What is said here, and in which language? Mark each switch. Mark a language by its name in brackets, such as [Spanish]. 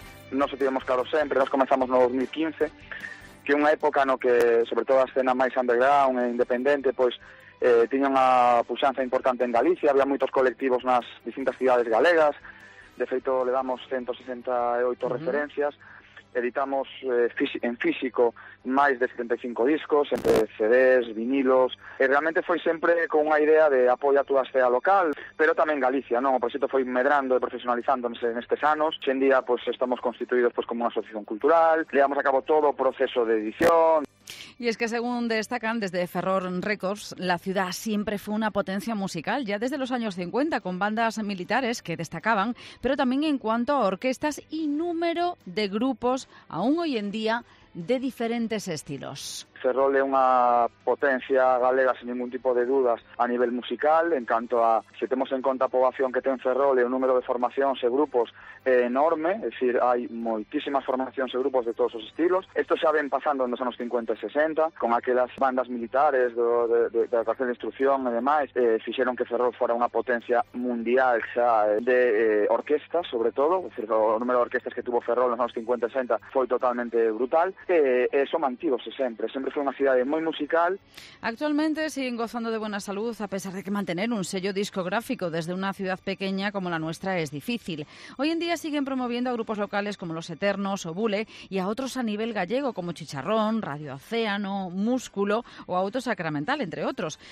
[Galician] Nos tivemos claro sempre, nos comenzamos no 2015, que unha época no que, sobre todo, a escena máis underground e independente, pois, tiña unha puxanza importante en Galicia, había moitos colectivos nas distintas cidades galegas, de feito, le damos 168 referencias, editamos en físico máis de 75 discos, entre CDs, vinilos, e realmente foi sempre con unha idea de apoio a toda a escena local, pero tamén Galicia, non? O proxecto foi medrando e profesionalizándose nestes anos. Hoxendía, pois, estamos constituídos pois, como unha asociación cultural, levamos a cabo todo o proceso de edición. [Spanish] Y es que según destacan desde Ferrol Records, la ciudad siempre fue una potencia musical, ya desde los años 50 con bandas militares que destacaban, pero también en cuanto a orquestas y número de grupos, aún hoy en día, de diferentes estilos. [Galician] Ferrol é unha potencia galega sen ningún tipo de dudas a nivel musical, en canto a, se temos en conta a poboación que ten Ferrol e o número de formacións e grupos é enorme, é dicir, hai moitísimas formacións e grupos de todos os estilos. Isto xa ven pasando nos anos 50 e 60, con aquelas bandas militares de la cárcel de instrucción e demais, fixeron que Ferrol fora unha potencia mundial xa de orquestas, sobre todo, é dicir, o número de orquestas que tuvo Ferrol nos anos 50 e 60 foi totalmente brutal, e eso mantivose sempre. Sempre foi unha cidade moi musical. [Spanish] Actualmente siguen gozando de buena salud, a pesar de que mantener un sello discográfico desde unha ciudad pequeña como la nuestra es difícil. Hoy en día siguen promoviendo a grupos locales como Los Eternos o Bule y a otros a nivel gallego como Chicharrón, Radio Océano, Músculo o Auto Sacramental, entre otros.